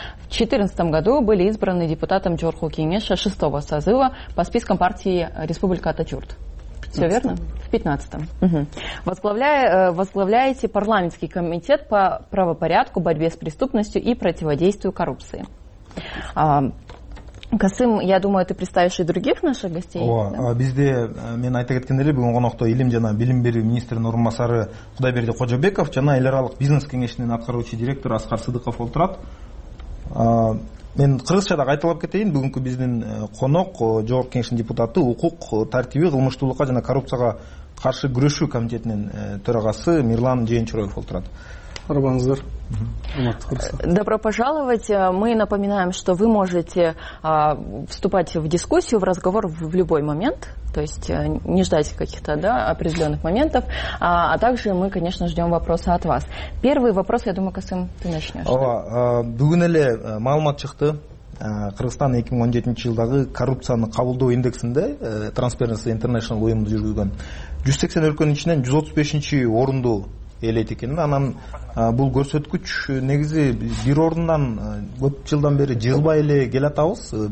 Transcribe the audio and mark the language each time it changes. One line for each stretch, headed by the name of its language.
Russian: В 2014 году были избраны депутатом Жогорку Кеңеши 6-го созыва по спискам партии «Республика Атачурт». Все верно? В 15-м. Угу. Возглавляете парламентский комитет по правопорядку, борьбе с преступностью и противодействию коррупции. Касым, я думаю, ты представишь и других наших гостей. О, да?
Kyrgyz: Бизде мен айта кеткенде эле бүгүн конокто илим жана билим берүү министринин орун басары Кудайберди Кожобеков жана эл аралык бизнес кеңешинин аткаруучу директору Аскар Сыдыков отурат. Мен кыргызча да кайталап кетейин. Бүгүнкү биздин конок Жогорку Кеңештин депутаты, укук тартиби, кылмыштуулукка жана коррупцияга каршы күрөшүү комитетинин төрагасы Мирлан Жээнчороев отурат. Арбаңыздар.
Russian: Добро пожаловать. Мы напоминаем, что вы можете вступать в дискуссию, в разговор в любой момент, то есть не ждать каких-то, да, определенных моментов. А также мы, конечно, ждем вопроса от вас. Первый вопрос, я думаю, Касым, ты начнешь.
Kyrgyz: Ова, бүгүн эле маалымат чыкты. Кыргызстан 2017 жылдагы коррупцияны кабылдоо индексинде Transparency International уюму жүргүзгөн 180 өлкөнүн ичинен 135-чи орунду ээлейт экен. Анан бул көрсөткүч негизи бир орундан көп жылдан бери жыгылбай эле келатабыз.